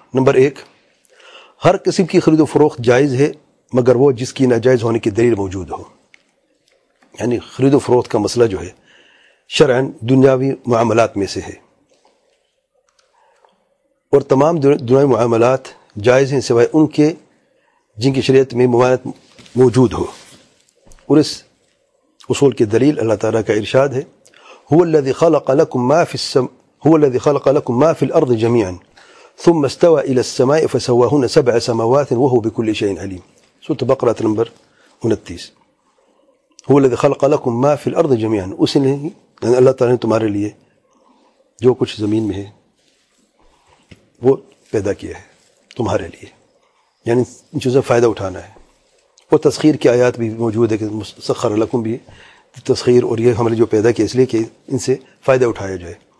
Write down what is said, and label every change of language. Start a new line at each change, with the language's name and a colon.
Urdu: Number ایک، ہر قسم کی خرید و فروخت جائز ہے مگر وہ جس کی ناجائز ہونے کی دلیل موجود ہو. یعنی خرید و فروخت کا مسئلہ جو ہے شرعاً دنیاوی معاملات میں سے ہے، اور تمام دنیاوی معاملات جائز ہیں سوائے ان کے جن کی شریعت میں ممانعت موجود ہو. اور اس اصول کی دلیل اللہ تعالیٰ کا ارشاد ہے،
Arabic: هو الذي خلق لكم ما في الأرض جميعاً ثم استوى إلى السماء فسواهن سبع سماوات وهو بكل شيء عليم.
Urdu: سورة البقرة نمبر 29.
Arabic: هو الذي خلق لكم ما في الأرض جميعا،
Urdu: اسنے یعنی اللہ تعالی نے تمہارے لیے جو کچھ زمین میں ہے وہ پیدا کیا ہے تمہارے لیے، یعنی ان چیزوں سے فائدہ اٹھانا ہے. وہ تسخیر کی آیات بھی موجود ہے کہ سخر لکم، بھی تسخیر، اور یہ ہم نے جو پیدا کیا اس لیے کہ ان سے فائدہ اٹھایا جائے.